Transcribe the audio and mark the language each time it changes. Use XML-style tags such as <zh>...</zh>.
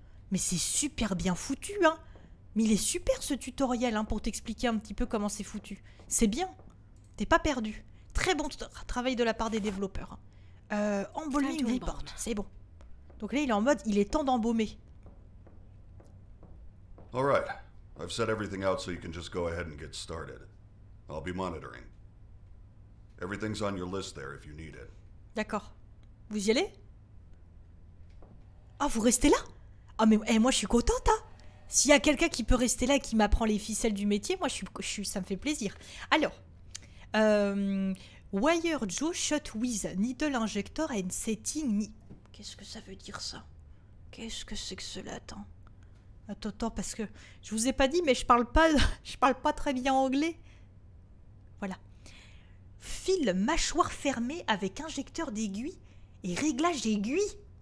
<fr>Mais c'est super bien foutu, hein. Mais il est super ce tutoriel, hein, pour t'expliquer un petit peu comment c'est foutu. C'est bien. T'es pas perdu. Très bon travail de la part des développeurs.</fr> <en>Embalming report.</en> <fr>C'est bon. Donc là, il est en mode, il est temps d'embaumer.</fr> <en>All right. I've set everything out so you can just go ahead and get started. I'll be monitoring. Everything's on your list there if you need it.</en> <fr>D'accord. Vous y allez? Ah, vous restez là? Ah, mais hey, moi, je suis contente, hein. S'il y a quelqu'un qui peut rester là et qui m'apprend les ficelles du métier, moi, ça me fait plaisir.</fr> <en>Alors, Wire Joe shot with needle injector and setting...</en> <fr>Qu'est-ce que ça veut dire, ça? Qu'est-ce que c'est que cela, attends? Attends, parce que je vous ai pas dit, mais je parle pas, très bien anglais. Voilà. Fil mâchoire fermée avec injecteur d'aiguille et réglage d'aiguille.</fr>